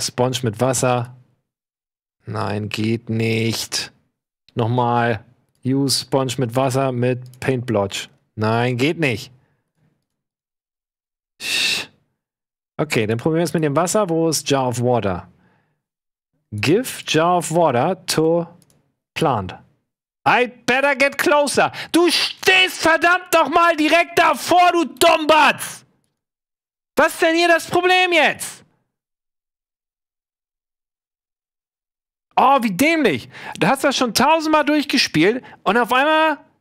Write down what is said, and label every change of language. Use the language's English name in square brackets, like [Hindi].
[German] Sponge mit Wasser. Nein, geht nicht. Nochmal. Use Sponge mit Wasser mit Paint Blotch. Nein, geht nicht. Okay, dann probieren wir es mit dem Wasser. Wo ist Jar of Water? [English] Give Jar of Water to Plant. I better get closer. [German] Du stehst verdammt noch mal direkt davor, du Dombatz. Was ist denn hier das Problem jetzt? Oh, wie dämlich. Du hast das schon tausendmal durchgespielt und auf einmal...